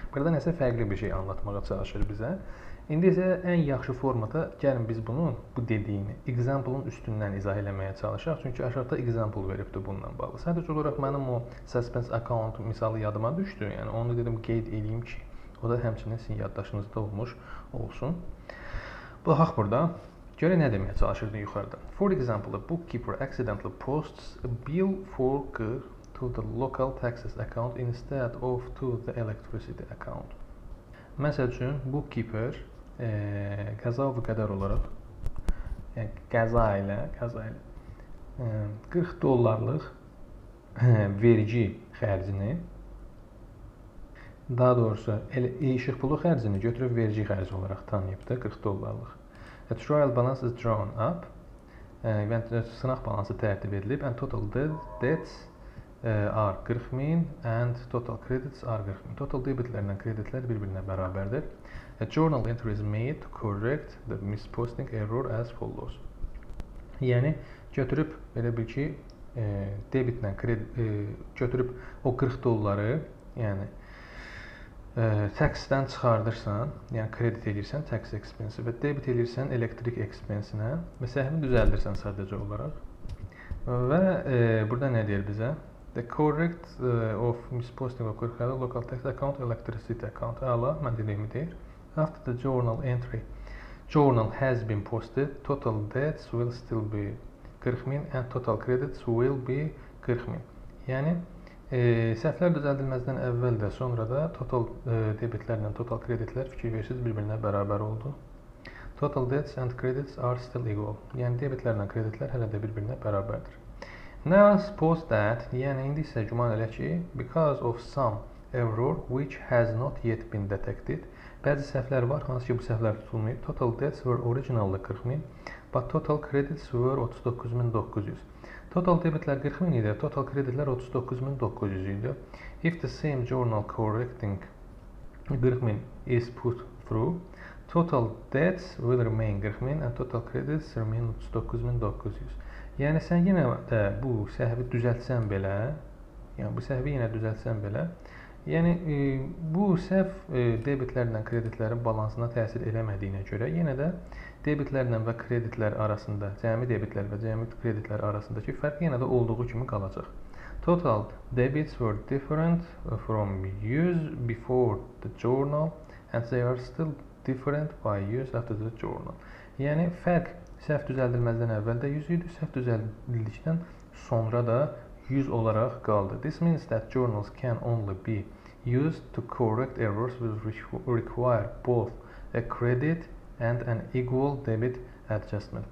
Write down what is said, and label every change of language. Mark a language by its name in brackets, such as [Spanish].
[Azerbaijani] Burada nəsə fərqli bir şey anlatmağa çalışır bizə. İndi isə ən yaxşı formada gəlin biz bunu, bu dediyini, example-ın üstündən izah eləməyə çalışaq. Çünki aşağıda example veribdir bununla bağlı. Sadəcə olaraq mənim o suspense account misalı yadıma düşdü. Yəni onu dedim qeyd edeyim ki, o da həmçinin sizin yaddaşınızda olmuş olsun. Baxaq burada. Görə nə deməyə çalışırdın yuxarıda? [English] For example, a bookkeeper accidentally posts a bill for to the local taxes account instead of to the electricity account. [Azerbaijani] Məsəl üçün, bookkeeper qəza və qədər olaraq, qəza ilə $40 vergi xərcini, daha doğrusu, işıq pulu xərcini götürüb vergi xərci olaraq tanıyıbdır, $40. [English] A trial balance is drawn up. [Azerbaijani] Sınaq balansı tərtib edilib. [English] And total debts are 40,000 and total credits are 40,000. [Azerbaijani] Total debitlərlə kreditlər bir-birinə bərabərdir. [English] A journal entry is made to correct the misposting error as follows. [Azerbaijani] Yəni götürüb belə bir ki, debitlə götürüb o $40, yəni tax-dan çıxardırsan, yəni kredit edirsən tax expense-i və debit edirsən elektrik expense-inə və səhvini düzəldirsən sadəcə olaraq. Və burada nə deyir bizə? [English] The correct of misposting of correct local tax account, electricity account. [Azerbaijani] Əla, mən dediyimi deyir. [English] After the journal entry, journal has been posted, total debts will still be 40,000 and total credits will be 40,000. [Azerbaijani] Yəni, səhvlər düzəldilməzdən əvvəl də sonra da total debitlərlə total kreditlər fikir versiz bir-birinə bərabər oldu. [English] Total debts and credits are still equal. [Azerbaijani] Yəni debitlərlə kreditlər hələ də bir-birinə bərabərdir. [English] Now suppose that, [Azerbaijani] yəni indi isə güman elə ki, [English] because of some error which has not yet been detected, [Azerbaijani] bəzi səhvlər var, hansı ki bu səhvlər tutulmayıb, [English] total debts were originally 40,000, but total credits were 39,900. [Azerbaijani] Total debitlər 40,000 idi, total kreditlər 39,900 idi. [English] If the same journal correcting 40,000 is put through, total debts will remain 40,000 and total credits remain 39,900. [Azerbaijani] Yəni, sən yenə də bu səhvi düzəltsən belə, yəni bu səhvi yenə düzəltsən belə, yəni bu səhv debitlərlə kreditlərin balansına təsir eləmədiyinə görə yenə də debitlərlə və kreditlər arasında, cəmi debitlər və cəmi kreditlər arasındakı fərq yenə də olduğu kimi qalacaq. [English] Total debits were different from 100 before the journal and they are still different by 100 after the journal. [Azerbaijani] Yəni fərq səhv düzəldilməzdən əvvəl də 100 idi, səhv düzəldildikdən sonra da 100 olaraq qaldı. [English] This means that journals can only be used to correct errors which require both a credit and an equal debit adjustment.